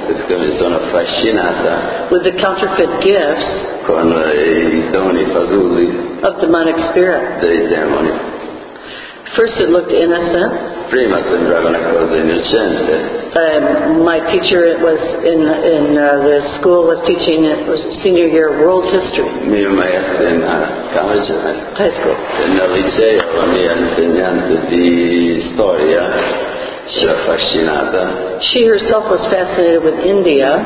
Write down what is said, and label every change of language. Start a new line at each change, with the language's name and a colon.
Italian: Perché mi sono affascinata.
English: With the counterfeit gifts.
Italian: Con i doni fasulli.
English: Of demonic spirit.
Italian: Dei demoni.
English: First it looked innocent.
Italian: Prima sembrava una cosa innocente.
English: My teacher was in the school was teaching it was senior year world history.
Italian: Mio maestro in college.
English: High school.
Italian: Nel liceo la mia insegnante di storia. Si era affascinata.
English: She herself was fascinated with India.